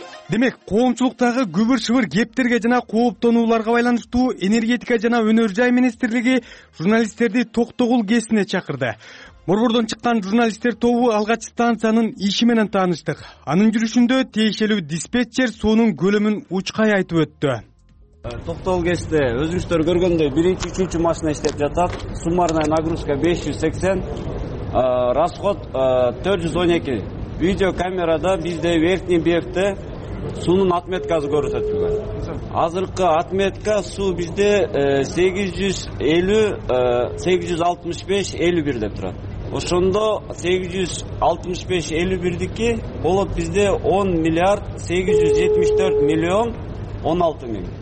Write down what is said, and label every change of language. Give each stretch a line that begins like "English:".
Kyrgyz: Демек, коомчулуктагы күбүр-чыбыр кептерге жана кооптонууларга байланыштуу энергетика жана өнөр жай министрлиги журналисттерди Токтогул ГЭСине чакырды. Борбордон чыккан журналисттер тобу алгач станциянын иши менен тааныштык. Анын жүрүшүндө тиешелүү диспетчер суунун көлөмүн учкай айтып өттү. Токтогул ГЭСте өзүңүздөр көргөндөй 1-3 машина иштеп жатат.
Russian: Суммарная нагрузка 580, расход 412.
Kyrgyz: Видеокамерада бизде верхний бекте суунун отметкасы көрсөтүлгөн. Азыркы отметка суу бизде 865-51 деп турат. Ошондо 865-51-ки болот бизде 10.874.016.000.